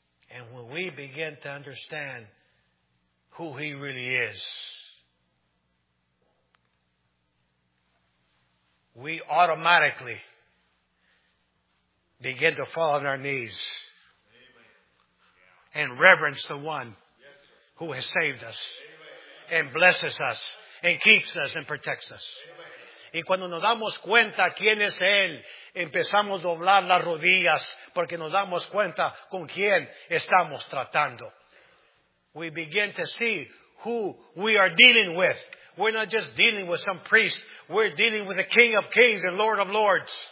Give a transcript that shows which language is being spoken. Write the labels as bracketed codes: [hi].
[en] And when we begin to understand who He really is, we automatically begin to fall on our knees and reverence the One who has saved us and blesses us and keeps us and protects us. [es] Y cuando nos damos cuenta quién es Él, empezamos a doblar las rodillas porque nos damos cuenta con quién estamos tratando. [en] We begin to see who we are dealing with. We're not just dealing with some priest. We're dealing with the King of Kings and Lord of Lords.